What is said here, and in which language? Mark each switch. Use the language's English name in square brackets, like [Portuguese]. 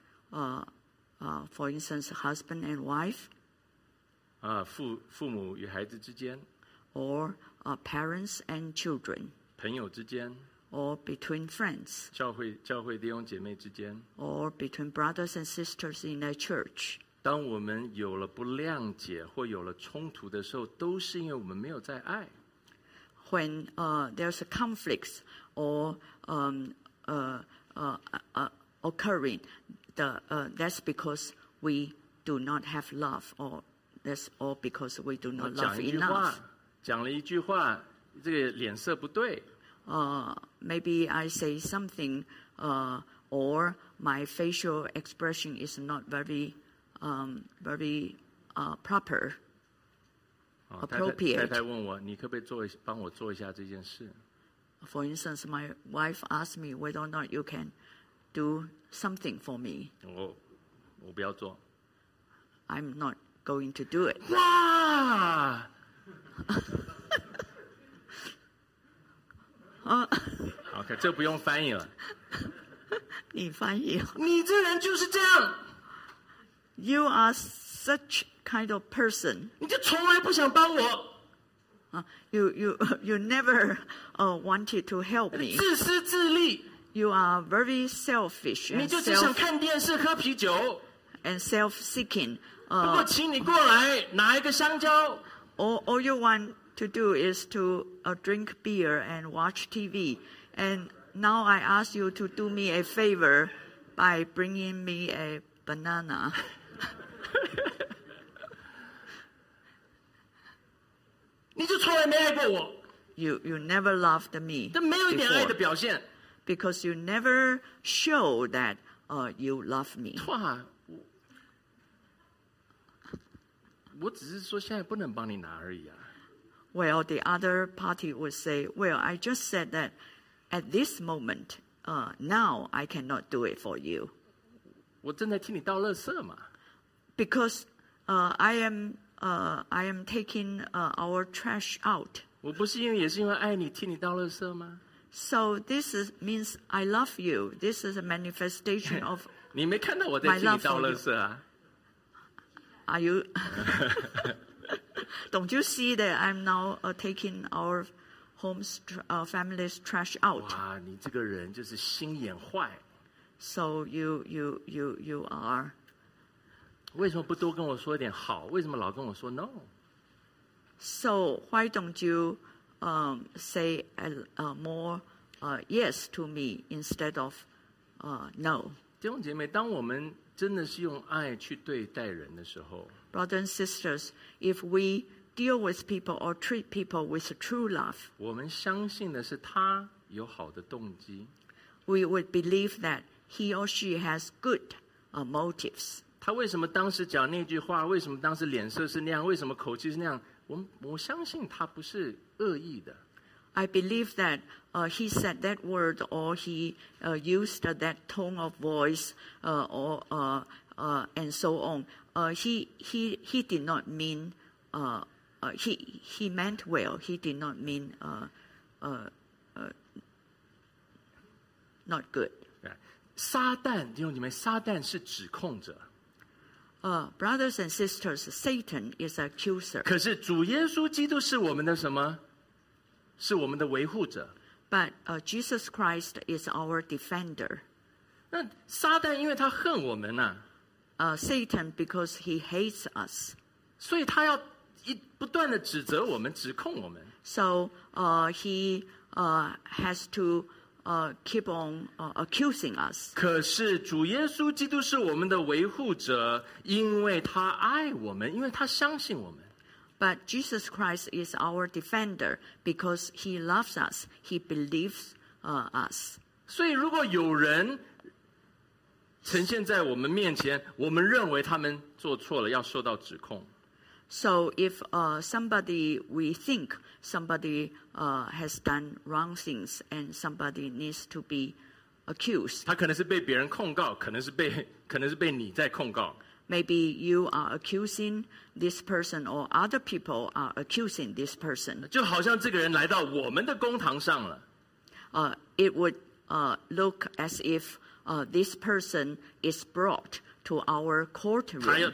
[English] For instance, husband and wife. [Chinese] 父母与孩子之间。 [English] Or parents and children. [Chinese] 朋友之间。 [English] Or between friends. [Chinese] 教会弟兄姐妹之间。 [English] Or between brothers and sisters in a church. [Chinese] 当我们有了不谅解或有了冲突的时候，都是因为我们没有在爱。 [English] When there's a conflict or occurring. That's because we do not have love, or that's all because we do not love enough. [Chinese] 讲了一句话，这个脸色不对。 [English] Maybe I say something, or my facial expression is not very, proper, appropriate. [Chinese] 太太问我，你可不可以帮我做一下这件事 [English] ？For instance, my wife asked me whether or not you can. Do something for me. [Chinese] 我不要做。 [English] I'm not going to do it. 哇！ [Chinese] 啊，OK， 这不用翻译了。你翻译。你这人就是这样。 [English] You are such kind of person. [Chinese] 你就从来不想帮我。 [English] You never wanted to help me. [Chinese] 自私自利。 [English] You are very selfish. [Chinese] 你就只想看电视喝啤酒。 [English] And self-seeking. [Chinese] 不过请你过来拿一个香蕉。 [English] All you want to do is to drink beer and watch TV. And now I ask you to do me a favor by bringing me a banana. [Chinese] 你就从来没爱过我。 [English] You never loved me. [Chinese] 这没有一点爱的表现。 [English] Because you never show that you love me. [Chinese] 我只是说现在不能帮你拿而已啊。 [English] Well, the other party would say, well, I just said that at this moment, now I cannot do it for you. [Chinese] 我正在替你倒垃圾嘛。 [English] Because I am taking our trash out. [Chinese] 我不是因为也是因为爱你替你倒垃圾吗？ [English] So this is, means I love you. This is a manifestation of [Chinese] 你没看到我在替你倒垃圾啊？ [English] Are you? Don't you see that I'm now taking our home's family's trash out? [Chinese] 哇，你这个人就是心眼坏。 [English] So you are. [Chinese] 为什么不多跟我说一点好？为什么老跟我说 no？ [English] So why don't you say more yes to me instead of no？ [Chinese] 弟兄姐妹，当我们真的是用爱去对待人的时候 [English] ，Brothers and sisters, if we deal with people or treat people with true love， [Chinese] 我们相信的是他有好的动机。 [English] We would believe that he or she has good motives。 [Chinese] 他为什么当时讲那句话？为什么当时脸色是那样？为什么口气是那样？我相信他不是恶意的。 [English] I believe that he said that word or he used that tone of voice and so on. He did not mean he meant well. He did not mean not good. Right. [Chinese] 撒旦，弟兄姐妹，撒旦是指控者。 [English] Brothers and sisters, Satan is accuser. [Chinese] 可是主耶稣基督是我们的什么？是我们的维护者。 [English] But Jesus Christ is our defender. [Chinese] 那撒旦因为他恨我们啊。 [English] Satan because he hates us. [Chinese] 所以他要不断的指责我们，指控我们。 [English] So he has to keep on accusing us. [Chinese] 可是主耶稣基督是我们的维护者，因为他爱我们，因为他相信我们。 [English] But Jesus Christ is our defender because he loves us. He believes us. [Chinese] 所以如果有人呈现在我们面前，我们认为他们做错了，要受到指控。 [English] So if somebody, we think somebody has done wrong things and somebody needs to be accused. [Chinese] 他可能是被别人控告，可能是被你在控告。 [English] Maybe you are accusing this person or other people are accusing this person. [Chinese] 就好像这个人来到我们的公堂上了。 [English] It would look as if this person is brought to our courtroom.